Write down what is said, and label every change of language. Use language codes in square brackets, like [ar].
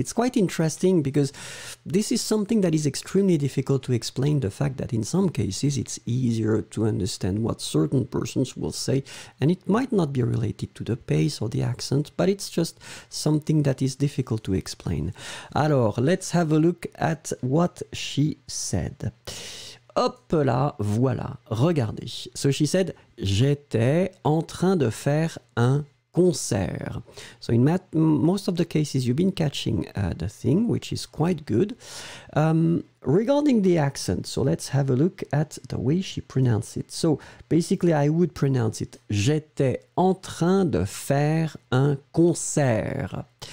[en] It's quite interesting because this is something that is extremely difficult to explain, the fact that in some cases it's easier to understand what certain persons will say, and it might not be related to the pace or the accent, but it's just something that is difficult to explain. Alors, let's have a look at what she said. [fr] Hop là, voilà, regardez. [en] So she said, [fr] j'étais en train de faire un concert. [en] So in most of the cases, you've been catching the thing, which is quite good. Regarding the accent, so let's have a look at the way she pronounced it. So basically, I would pronounce it, [fr] j'étais en train de faire un concert.